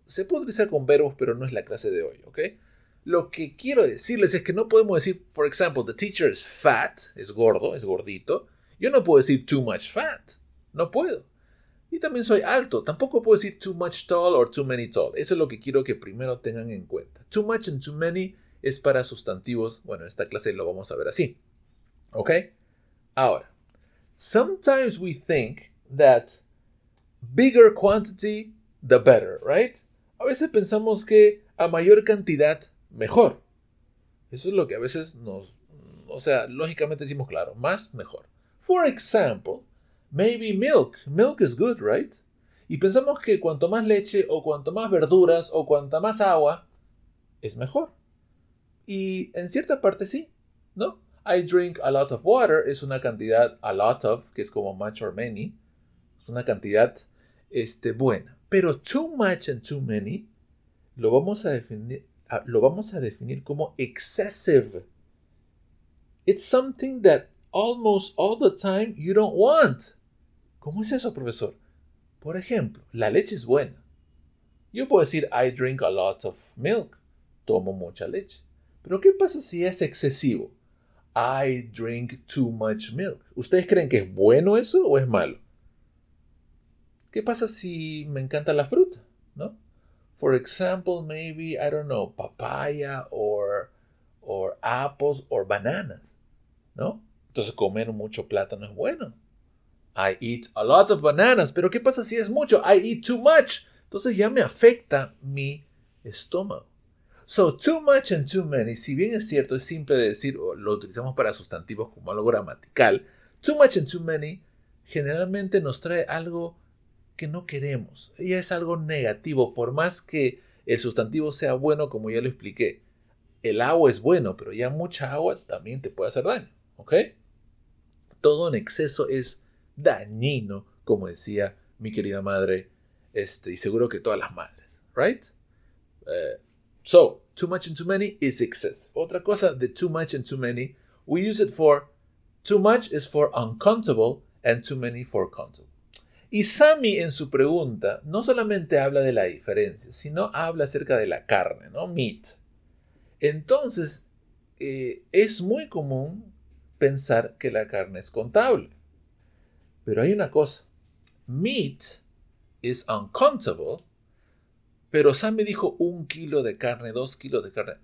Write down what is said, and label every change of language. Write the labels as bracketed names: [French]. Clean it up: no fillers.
[Spanish] Se puede utilizar con verbos, pero no es la clase de hoy, ¿ok? Lo que quiero decirles es que no podemos decir, [English] for example, the teacher is fat, [Spanish] es gordo, es gordito. Yo no puedo decir [English] too much fat, [Spanish] no puedo. Y también soy alto. Tampoco puedo decir [English] too much tall or too many tall. [Spanish] Eso es lo que quiero que primero tengan en cuenta. [English] Too much and too many [Spanish] es para sustantivos. Bueno, en esta clase lo vamos a ver así. ¿Ok? [English] Ahora, sometimes we think that bigger quantity, the better, right? [Spanish] A veces pensamos que a mayor cantidad, mejor. Eso es lo que a veces nos... O sea, lógicamente decimos, claro, más, mejor. [English] For example, maybe milk. Milk is good, right? [Spanish] Y pensamos que cuanto más leche o cuanto más verduras o cuanta más agua, es mejor. Y en cierta parte sí, ¿no? [English] I drink a lot of water [Spanish] es una cantidad, [English] a lot of, [Spanish] que es como [English] much or many, [Spanish] es una cantidad buena. Pero [English] too much and too many [Spanish] lo vamos a definir como excessive. [English] It's something that almost all the time you don't want. [Spanish] ¿Cómo es eso, profesor? Por ejemplo, la leche es buena. Yo puedo decir, [English] I drink a lot of milk. [Spanish] Tomo mucha leche. ¿Pero qué pasa si es excesivo? [English] I drink too much milk. [Spanish] ¿Ustedes creen que es bueno eso o es malo? ¿Qué pasa si me encanta la fruta? ¿No? [English] For example, maybe, I don't know, papaya or apples or bananas. [Spanish] ¿No? Entonces comer mucho plátano es bueno. [English] I eat a lot of bananas. [Spanish] ¿Pero qué pasa si es mucho? [English] I eat too much. [Spanish] Entonces ya me afecta mi estómago. [English] So, too much and too many. [Spanish] Si bien es cierto, es simple de decir, o lo utilizamos para sustantivos como algo gramatical. [English] Too much and too many [Spanish] generalmente nos trae algo que no queremos. Y es algo negativo. Por más que el sustantivo sea bueno, como ya lo expliqué. El agua es bueno, pero ya mucha agua también te puede hacer daño. ¿Ok? Todo en exceso es dañino, como decía mi querida madre, y seguro que todas las madres, right? [English] So, too much and too many is excessive. [Spanish] Otra cosa de [English] too much and too many, we use it for Too much is for uncountable and too many for countable. [Spanish] Y Sammy en su pregunta no solamente habla de la diferencia, sino habla acerca de la carne, ¿no? Meat. Entonces, es muy común pensar que la carne es contable. Pero hay una cosa. [English] Meat is uncountable, [Spanish] pero Sammy dijo un kilo de carne, dos kilos de carne.